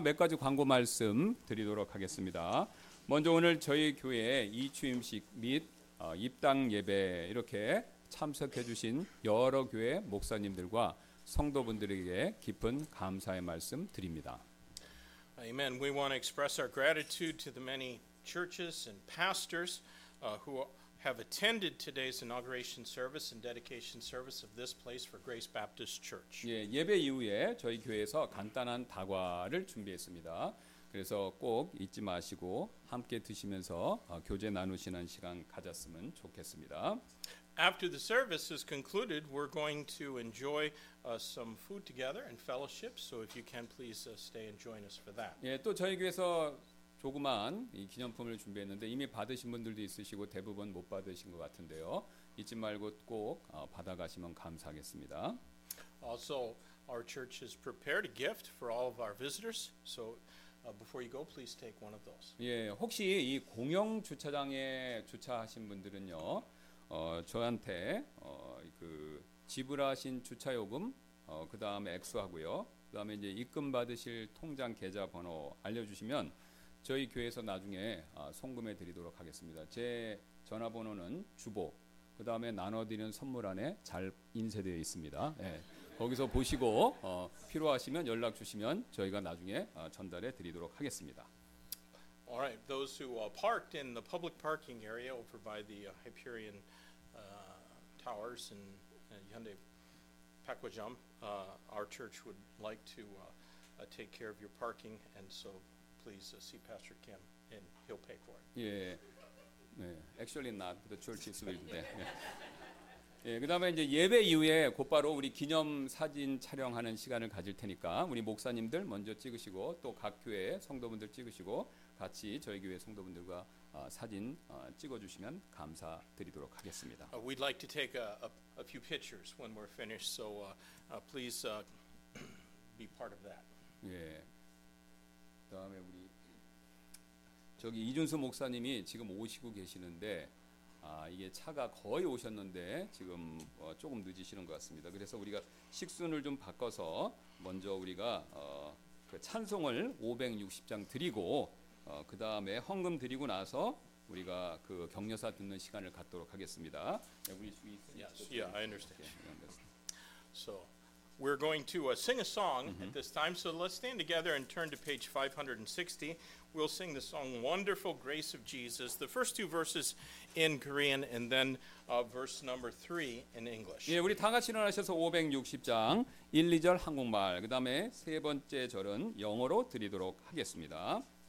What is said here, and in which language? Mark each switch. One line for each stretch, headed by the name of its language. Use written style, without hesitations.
Korean: 몇 가지 광고 말씀 드리도록 하겠습니다. 먼저 오늘 저희 교회 이추임식 및 입당 예배 이렇게 참석해 주신 여러 교회 목사님들과 성도분들에게 깊은 감사의 말씀 드립니다.
English: Amen. We want to express our gratitude to the many churches and pastors who have attended today's inauguration service and dedication service of this place for Grace Baptist Church.
Korean: 예, 예배 이후에 저희 교회에서 간단한 다과를 준비했습니다. 그래서 꼭 잊지 마시고 함께 드시면서 교제 나누시는 시간 가졌으면 좋겠습니다.
English: After the service is concluded, we're going to enjoy some food together and fellowship. So if you can please stay and join us for that.
Korean: 예, 또 저희 교회에서 조그만 이 기념품을 준비했는데 이미 받으신 분들도 있으시고 대부분 못 받으신 것 같은데요. 잊지 말고 꼭 받아가시면 감사하겠습니다.
English: Also, our church has prepared a gift for all of our visitors. So before you go, please take one of those.
Korean: 예, 혹시 이 공영 주차장에 주차하신 분들은요, 저한테 그 지불하신 주차요금, 그 다음에 액수하고요, 그 다음에 이제 입금 받으실 통장 계좌번호 알려주시면 저희 교회에서 나중에 송금해 드리도록 하겠습니다. 제 전화번호는 주보, 그 다음에 나눠드리는 선물 안에 잘 인쇄되어 있습니다. 예, 거기서 보시고 필요하시면 연락 주시면 저희가 나중에 전달해 드리도록 하겠습니다.
English: All right, those who are parked in the public parking area over by the Hyperion Towers and Hyundai Pakwajam, our church would like to take care of your parking, and so please see Pastor Kim, and he'll pay for it. Yeah, actually not. The church is with there.
Korean: 예, 그다음에 이제 예배 이후에 곧바로 우리 기념 사진 촬영하는 시간을 가질 테니까 우리 목사님들 먼저 찍으시고 또 각 교회 성도분들 찍으시고 같이 저희 교회 성도분들과 사진 찍어주시면 감사드리도록 하겠습니다.
English: We'd like to take a few pictures when we're finished, so please be part of that.
Korean: 예, 그다음에 우리 저기 이준수 목사님이 지금 오시고 계시는데. 아 이게 차가 거의 오셨는데 지금 조금 늦으시는 것 같습니다. 그래서 우리가 식순을 좀 바꿔서 먼저 우리가 그 찬송을 560장 드리고 그 다음에 헌금 드리고 나서 우리가 그 격려사 듣는 시간을 갖도록 하겠습니다.
English: Yes, yeah, I understand. So we're going to sing a song at this time. So let's stand together and turn to page 560. We'll sing the song Wonderful Grace of Jesus, the first two verses in Korean, and then verse number 3 in English.
Korean: 예, 우리 다 같이 일어나셔서 560장 1, 2절 한국말, 그 다음에 세 번째 절은 영어로 드리도록 하겠습니다.